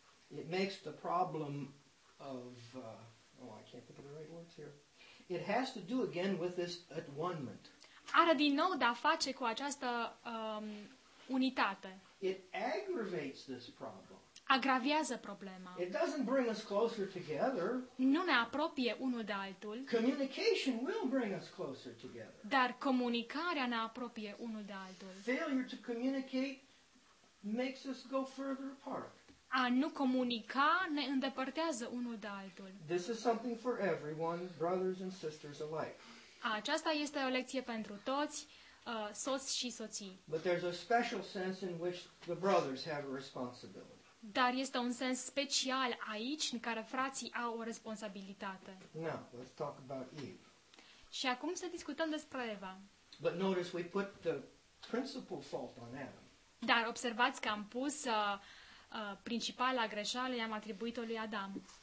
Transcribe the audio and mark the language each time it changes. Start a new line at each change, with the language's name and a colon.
English: It makes the problem of I can't think of the right words here. It has to do again with this atonement.
Romanian: Are din nou de a face cu această unitate.
English: It aggravates this problem.
Romanian: Agravează problema.
English: It doesn't bring us closer together.
Romanian: Nu ne apropie unul de altul.
English: Communication will bring us closer together.
Romanian: Dar comunicarea ne apropie unul de altul.
English: Failure to communicate makes us go further apart.
Romanian: A nu comunica ne îndepărtează unul de altul.
English: This is something for everyone, brothers and sisters alike.
Romanian: Aceasta este o lecție pentru toți, soți și soții.
English: But there's a special sense in which the brothers have a responsibility.
Romanian: Dar este un sens special aici în care frații au o responsabilitate.
English: Now, let's talk about Eve.
Romanian: Și acum să discutăm despre Eva.
English: But notice we put the principal fault on Adam.
Romanian: Dar observați că am pus principala greșeală i-am atribuit-o lui Adam.